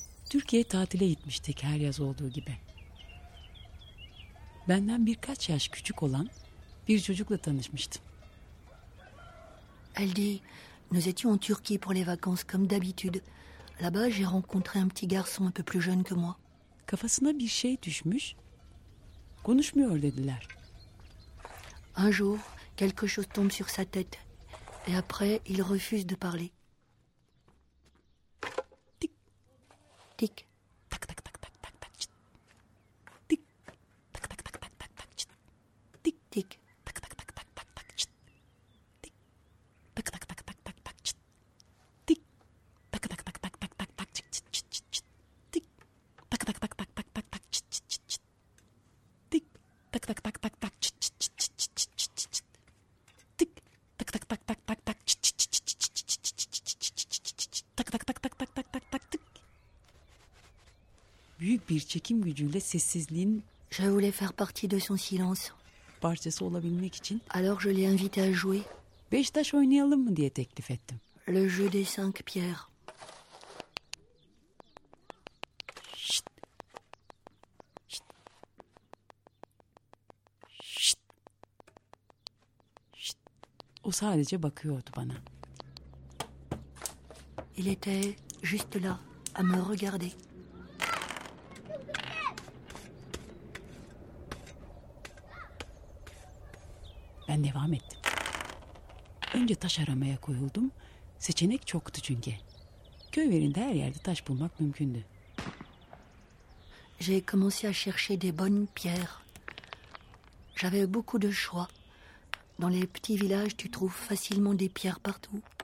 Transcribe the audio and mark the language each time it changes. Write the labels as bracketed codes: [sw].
[tr] Türkiye tatile gitmiştik her yaz olduğu gibi. Benden birkaç yaş küçük olan bir çocukla tanışmıştım. [fr] Elle dit, nous étions en Turquie pour les vacances comme d'habitude. Là-bas, j'ai rencontré un petit garçon un peu plus jeune que moi. [tr] Kafasına bir şey düşmüş. Konuşmuyor dediler. [fr] Un jour, quelque chose tombe sur sa tête et après, il refuse de parler. Tik tak tak tak tak tak tak çıt. Tik tak tak tak tak tak tak çıt. Tik tik tak tak tak tak tak tak çıt. Tik tak tak tak tak tak tak çıt. Tik tak tak tak tak tak tak tak çıt çıt çıt çıt. Tik tak tak tak tak tak tak tak çıt çıt çıt çıt. Tik tak tak tak tak tak çıt çıt çıt çıt çıt çıt çıt çıt. Tik tak tak tak tak tak tak çıt çıt çıt çıt çıt çıt çıt çıt çıt çıt çıt çıt çıt çıt çıt çıt çıt çıt tak tak tak tak tak tak tak tak tık. [tr] Büyük bir çekim gücüyle sessizliğin [fr] je voulais faire partie de son silence. [tr] Parçası olabilmek için. [fr] Alors je l'ai invité à jouer. [tr] Beş taş oynayalım mı diye teklif ettim. [fr] Le jeu des cinq pierres. Şşt. Şşt. Şşt. Şşt. [tr] O sadece bakıyordu bana. [fr] Il était juste là à me regarder. [tr] Ben devam ettim. Önce taş aramaya koyuldum. Seçenek çoktu çünkü. Köy verinde her yerde taş bulmak mümkündü. [fr] J'ai commencé à chercher des bonnes pierres. J'avais beaucoup de choix. Dans les petits villages, tu trouves facilement des pierres partout.